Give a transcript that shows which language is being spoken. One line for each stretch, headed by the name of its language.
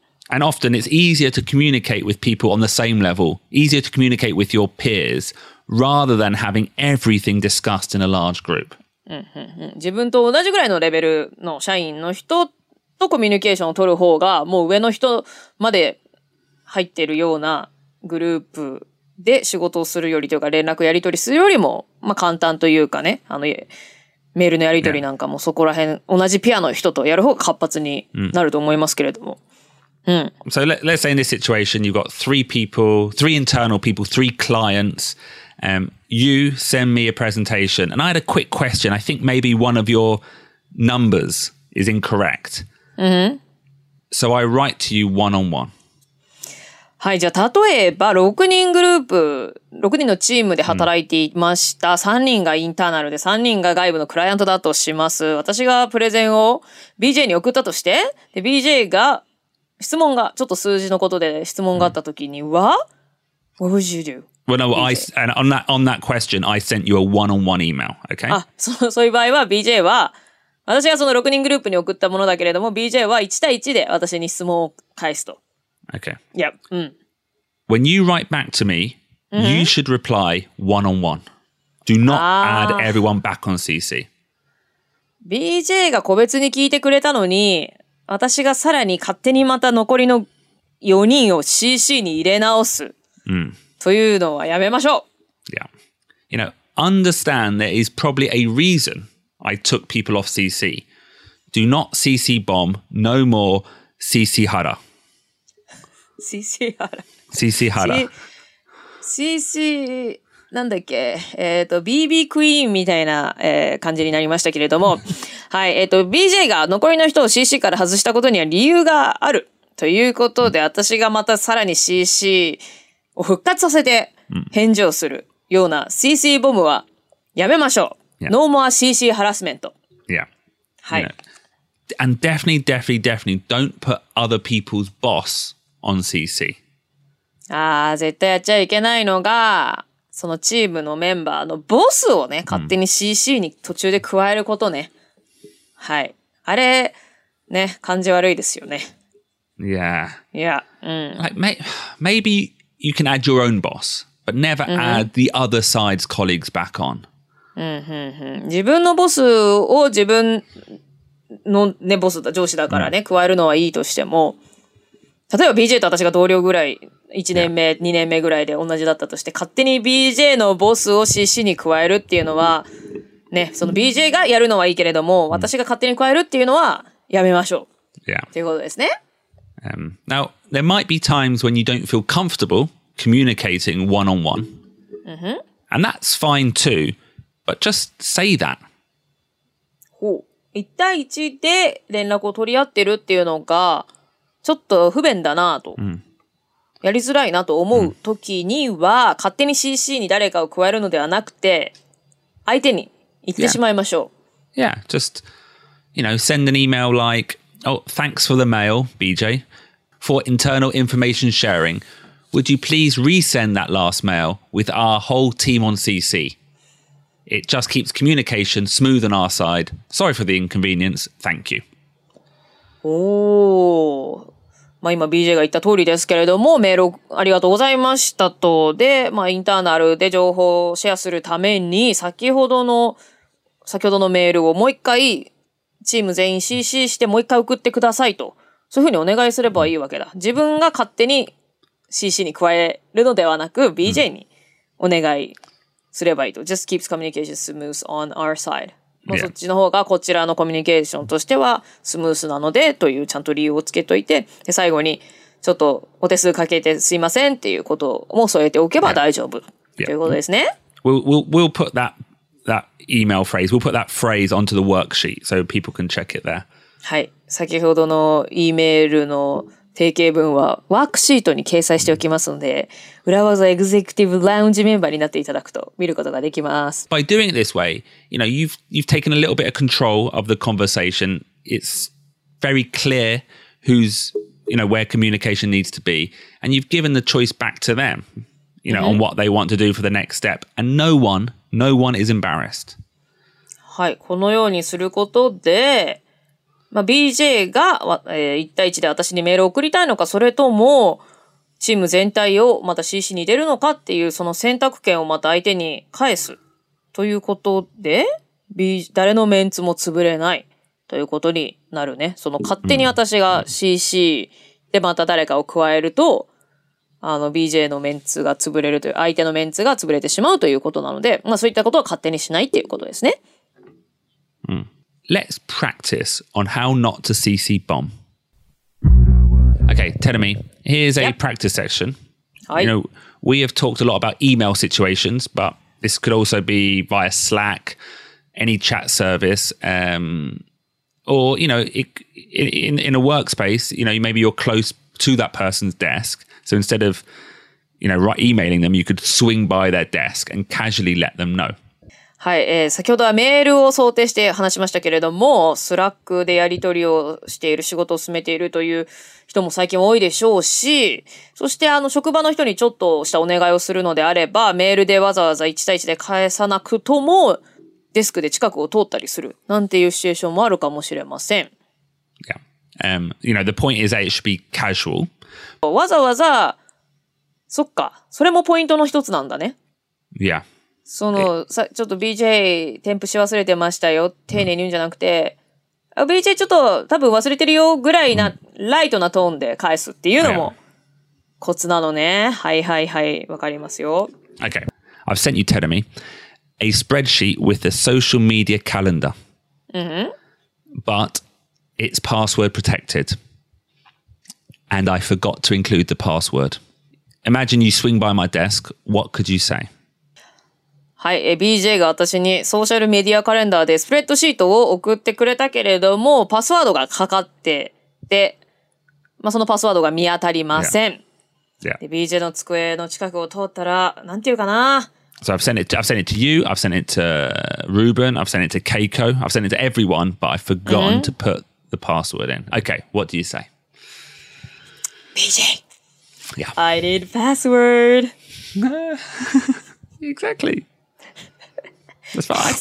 English: And often it's easier to communicate with people on the same level, easier to communicate with your peers, rather than having everything discussed in a large group.
Japanese: 自分と同じぐらいのレベルの社員の人とコミュニケーションを取る方が、もう上の人まで入っているようなグループで仕事をするよりというか、連絡やり取りするよりも、まあ簡単というかね、メールのやり取りなんかもそこら辺、同じピアの人とやる方が活発になると思いますけれども。
English: So let's say in this situation, you've got three internal people, three clients. You send me a presentation. And I had a quick question. I think maybe one of your numbers is incorrect. So I write to you one-on-one.
Japanese: はい、じゃあ例えば6人グループ、6人のチームで働いていました。 3人がインターナルで3人が外部のクライアントだとします。私がプレゼンを BJ に送ったとして、で BJ が質問がちょっと数字のことで質問があったときには、
English: What would you do? Well, no, I and on that question, I sent you a one-on-one email. Okay.
Japanese: あ、そういう場合は BJ は私がその6人グループに送ったものだけれども、BJ は1対1で私に質問を返すと。
English: Okay. Yep. When you write back to me, you should reply one-on-one. Do not add everyone back on CC.
Japanese: BJ が個別に聞いてくれたのに。私がさらに勝手にまた残りの4人を CC に入れ直すというのはやめましょう。
English: Yeah. You know, understand there is probably a reason I took people off CC. Do not CC bomb, no more CC hara. CC hara. CC hara.
Japanese: CC, なんだっけ、BB クイーンみたいな、感じになりましたけれども、はい、BJ が残りの人を CC から外したことには理由があるということで、私がまたさらに CC を復活させて返事をするような CC ボムはやめましょう。
English: Yeah. No more CC harassment. Yeah.
Japanese: はい。
English: Yeah. And definitely, definitely, definitely don't put other people's boss on CC.
Japanese: ああ、絶対やっちゃいけないのが、そのチームのメンバーのボスをね、勝手に CC に途中で加えることね。はい。あれ、ね、感じ悪いですよね。
English: Yeah. Like, maybe you can add your own boss, but never add the other side's colleagues back on.
Japanese: 自分のボスを自分のね、ボスだ、上司だからね、加えるのはいいとしても、例えば BJ と私が同僚ぐらい、1年目、2年目ぐらいで同じだったとして、勝手に BJ のボスを CC に加えるっていうのは、ね、その BJ がやるのはいいけれども、私が勝手に加えるっていうのはやめましょう。
English: Yeah.
Japanese: ということですね。
English: Now, there might be times when you don't feel comfortable communicating one-on-one. And that's fine too, but just say that.
Japanese: ほう。一対一で連絡を取り合ってるっていうのが、ちょっと不便だなと。やりづらいなと思うときには、勝手に CC に誰かを加えるのではなくて、相手に言ってしまいましょう。
English: Yeah, just, you know, send an email like, oh, thanks for the mail, BJ, for internal information sharing. Would you please resend that last mail with our whole team on CC? It just keeps communication smooth on our side. Sorry for the inconvenience. Thank you. Oh,
Japanese: まあ今 BJ が言った通りですけれども、メールありがとうございましたと。で、まあインターナルで情報をシェアするために、先ほどのメールをもう一回、チーム全員 CC してもう一回送ってくださいと。そういうふうにお願いすればいいわけだ。自分が勝手に CC に加えるのではなく、BJ にお願いすればいいと。
English: Just keeps communication smooth on our side。
Japanese: まあ、そっちの方がこちらのコミュニケーションとしてはスムースなのでというちゃんと理由をつけといて、で最後にちょっとお手数かけてすいませんっていうことも添えておけば大丈夫ということですね。
English: We'll put that email phrase, we'll put that phrase onto the worksheet so people can check it there.
Japanese: はい。先ほどの E メールの定型文はワークシートに掲載しておきますので、裏技エグゼクティブラウンジメンバーになっていただくと見ることができます。
English: By doing it this way, you know, you've taken a little bit of control of the conversation. It's very clear who's, you know, where communication needs to be. And you've given the choice back to them, you know, on what they want to do for the next step. And no one is embarrassed.
Japanese: はい、このようにすることで、まあ、BJ が、1対1で私にメールを送りたいのか、それとも、チーム全体をまた CC に入れるのかっていう、その選択権をまた相手に返す。ということで、誰のメンツも潰れない。ということになるね。その勝手に私が CC でまた誰かを加えると、BJ のメンツが潰れるという、相手のメンツが潰れてしまうということなので、まあ、そういったことは勝手にしないっていうことですね。うん。
English: Let's practice on how not to CC bomb. Okay, Terumi, here's a practice session. Hi. You know, we have talked a lot about email situations, but this could also be via Slack, any chat service, or, you know, in a workspace, you know, maybe you're close to that person's desk. So instead of, you know, emailing them, you could swing by their desk and casually let them know.
Japanese: はい、先ほどはメールを想定して話しましたけれども、スラックでやり取りをしている、仕事を進めているという人も最近多いでしょうし、そして職場の人にちょっとしたお願いをするのであれば、メールでわざわざ1対1で返さなくとも、デスクで近くを通ったりする、なんていうシチュエーションもあるかもしれません。
English: Yeah. You know, the point is that it should be casual.
Japanese: わざわざ、そっか、それもポイントの一つなんだね。
English: Yeah.
Japanese: そのさちょっと BJ 添付し忘れてましたよ丁寧に言うんじゃなくて、うん、BJ ちょっと多分忘れてるよぐらいな、うん、ライトなトーンで返すっていうのもコツなのね、はいはいはい、わかりますよ。
English: Okay, I've sent you Terumi a spreadsheet with the social media calendar、 mm-hmm. but it's password protected and I forgot to include the password. Imagine you swing by my desk, what could you say?
Japanese: はい、BJ が私にソーシャルメディアカレンダーでスプレッドシートを送ってくれたけれども、パスワードがかかってて、まあ、そのパスワードが見当たりません。
English: Yeah. Yeah.
Japanese: で、BJ の机の近くを通ったら、なんていうかな。
English: So I've sent it to you, I've sent it to Ruben, I've sent it to Keiko, I've sent it to everyone, but I've forgotten to put the password in. Okay, what do you say? BJ. Yeah. I need password. Exactly. That's fine.